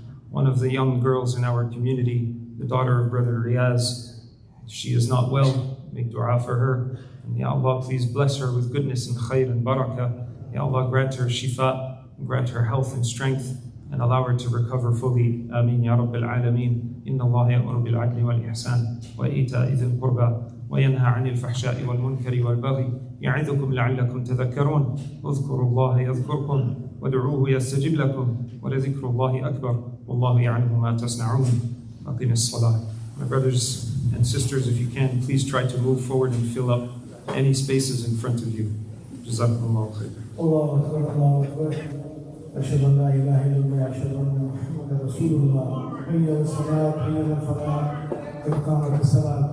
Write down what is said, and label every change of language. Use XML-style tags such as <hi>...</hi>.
<en>One of the young girls in our community, the daughter of Brother Riaz, she is not well. Make dua for her. And Ya Allah, please bless her with goodness and khair and barakah. Ya Allah, grant her shifa, grant her health and strength, and allow her to recover fully.</en> <ar>Ameen Ya Rabbil Alameen. Inna Allah ya'muru bil adli wal ihsan wa ita'i dhil qurba وينهى عن الفحشاء والمنكر والبغي يعظكم لعلكم تذكرون اذكروا الله يذكركم وادعوه يستجب لكم ولذكر الله أكبر والله يعلم ما تصنعون أقم الصلاة.</ar> <en>My brothers and sisters, if you can, please try to move forward and fill up any spaces in front of you.</en> <ar>جزاكم الله خيرا. الله أكبر الله أكبر. أشهد أن لا إله إلا الله أشهد أن محمدا رسول الله. حي على الصلاة حي على الفرح. تبقى على الصلاة.</ar>